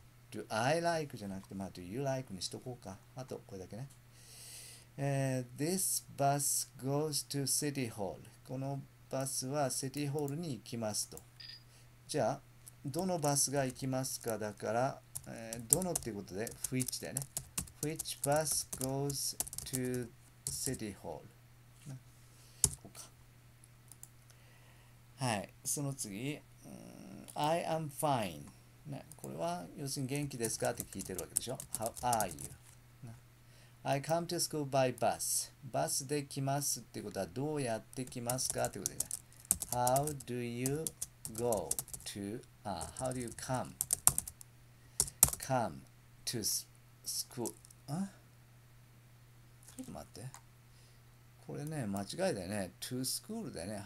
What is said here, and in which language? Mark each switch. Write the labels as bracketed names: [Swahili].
[English] Do I like [Japanese] じゃなくて、まあ、 [English] Do you like [Japanese] にしとこうか。あと、これだけね。 [English] This bus goes to City Hall。 [Japanese] このバスはシティホールに行きますと。じゃあ、どのバスが行きますかだから、どのっていうことで、which だよね。 [English] Which bus goes to City Hall?、 [Japanese] はい、その次。 [English] I am fine。 [Japanese] ね、これは要するに元気ですかって聞いてるわけでしょ。 [English] How are you?、I come to school by bus。 [Japanese] バスで来ますってことはどうやって来ますかってことでね。 [English] How do you go to, how do you come to school? [Japanese] ちょっと待って。これね、間違いだよね。 [English] to school [Japanese] だよね。